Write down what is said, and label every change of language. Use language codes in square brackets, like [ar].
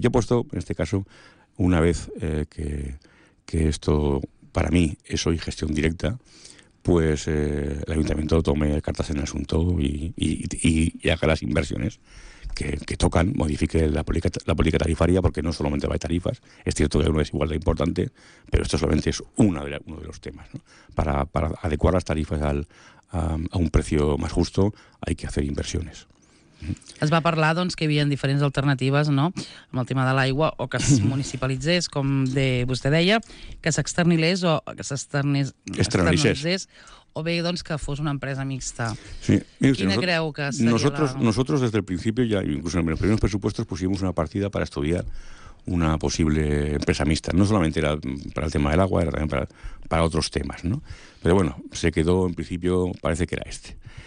[es] Yo he puesto, en este caso, una vez que esto, para mí, es hoy gestión directa, pues el ayuntamiento tome cartas en el asunto y haga las inversiones que tocan, modifique la política tarifaria, porque no solamente va a tarifas, es cierto que uno es igual de importante, pero esto solamente es uno de los temas, ¿no? Para adecuar las tarifas a un precio más justo hay que hacer inversiones. [ca] Es va parlar, doncs, que hi havia diferents alternatives, no?, amb el tema de l'aigua, o que es municipalitzés, com de vostè deia, que s'externilés o que s'externalitzés, o bé, doncs, que fos una empresa mixta. Sí. Mira, quina [es] nosotros, [ca] creu que seria [es] nosotros, la... Nosotros, desde el principio, ya, incluso en los primeros presupuestos, pusimos una partida para estudiar una posible empresa mixta. No solamente era para el tema del agua, era también para otros temas, ¿no? Pero bueno, se quedó, en principio, parece que era este.